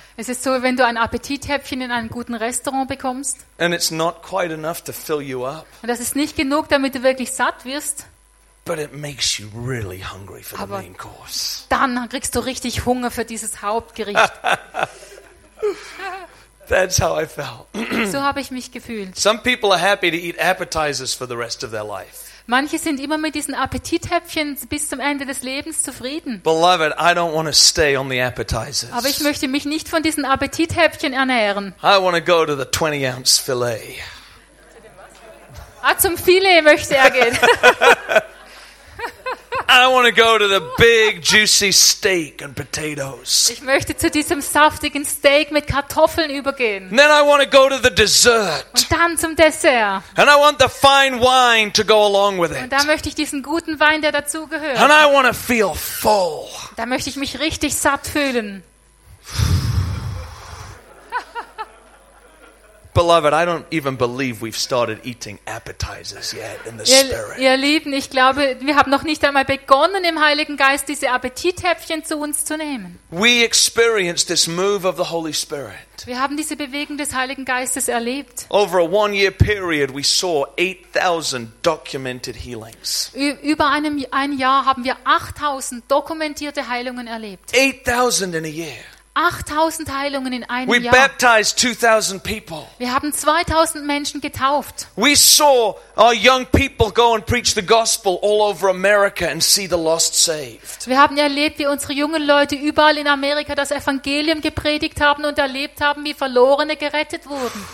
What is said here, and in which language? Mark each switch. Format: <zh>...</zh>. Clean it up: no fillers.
<de>Es ist so, wenn du ein Appetithäppchen in einem guten Restaurant bekommst.</de> <en>And it's not quite enough to fill you up.</en> <de>Und das ist nicht genug, damit du wirklich satt wirst.</de> <en>But it makes you really hungry for the main course.</en> <de>Dann kriegst du richtig Hunger für dieses Hauptgericht.</de> <en>That's how I felt.</en> <de>So habe ich mich gefühlt.</de> <en>Some people are happy to eat appetizers for the rest of their life.</en> <de>Manche sind immer mit diesen Appetithäppchen bis zum Ende des Lebens zufrieden.</de> <en>Beloved, I don't want to stay on the appetizers.</en> <de>Aber ich möchte mich nicht von diesen Appetithäppchen ernähren.</de> <en>I want to go to the 20-ounce filet.</en> <de>Ah, zum Filet möchte er gehen.</de> <en>I want to go to the big juicy steak and potatoes.</en> <de>Ich möchte zu diesem saftigen Steak mit Kartoffeln übergehen.</de> <en>And then I want to go to the dessert.</en> <de>Und dann zum Dessert.</de> <en>And I want the fine wine to go along with it.</en> <de>Und dann möchte ich diesen guten Wein, der dazu gehört.</de> <en>And I want to feel full.</en> <de>Da möchte ich mich richtig satt fühlen.</de> <en>Beloved, I don't even believe we've started eating appetizers yet in the spirit.</en> <de>Ihr Lieben, ich glaube, wir haben noch nicht einmal begonnen, im Heiligen Geist diese Appetithäppchen zu uns zu nehmen.</de> <en>We experienced this move of the Holy Spirit.</en> <de>Wir haben diese Bewegung des Heiligen Geistes erlebt.</de> <en>Over a one-year period, we saw 8,000 documented healings.</en> <de>Über ein Jahr haben wir 8,000 dokumentierte Heilungen erlebt.</de> <en>8,000 in a year.</en> <de>8000 Heilungen in einem</de> <en>We</en> <de>Jahr.</de> <en>Baptized 2000 people.</en> <de>Wir haben 2000 Menschen getauft.</de> <en>We saw our young people go and preach the gospel all over America and see the lost saved.</en> <de>Wir haben erlebt, wie unsere jungen Leute überall in Amerika das Evangelium gepredigt haben und erlebt haben, wie Verlorene gerettet wurden.</de>